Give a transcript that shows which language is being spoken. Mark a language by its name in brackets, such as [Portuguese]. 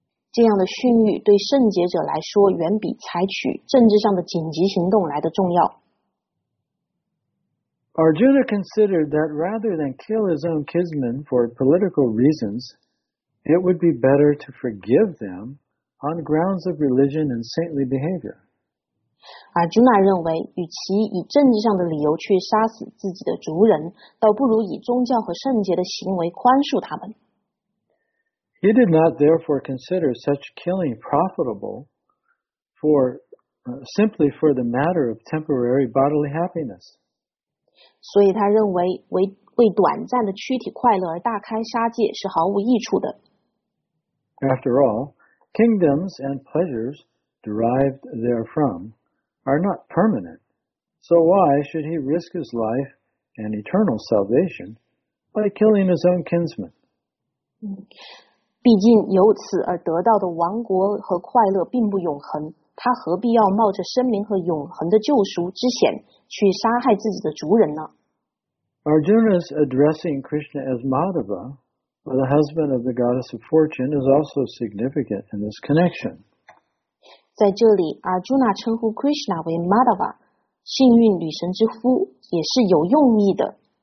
[Chinese] 这样的训谕对圣洁者来说远比采取政治上的紧急行动来得重要。 [English] Arjuna considered that rather than kill his own kinsmen for political reasons, it would be better to forgive them on grounds of religion and saintly behavior. [Chinese] Arjuna 认为，与其以政治上的理由去杀死自己的族人，倒不如以宗教和圣洁的行为宽恕他们。 [English] He did not therefore consider such killing profitable for simply for the matter of temporary bodily happiness. [Chinese] 所以他认为为短暂的躯体快乐而大开杀戒是毫无益处的。 [English] After all, kingdoms and pleasures derived therefrom are not permanent. So why should he risk his life and eternal salvation by killing his own kinsmen? [Chinese] 毕竟由此而得到的王国和快乐并不永恒，他何必要冒着生命和永恒的救赎之险去杀害自己的族人呢？ [English] Arjuna is addressing Krishna as Madhava, the husband of the goddess of fortune, is also significant in this connection. [Chinese] 在这里 ，Arjuna 称呼 Krishna 为 Madhava， 幸运女神之夫，也是有用意的。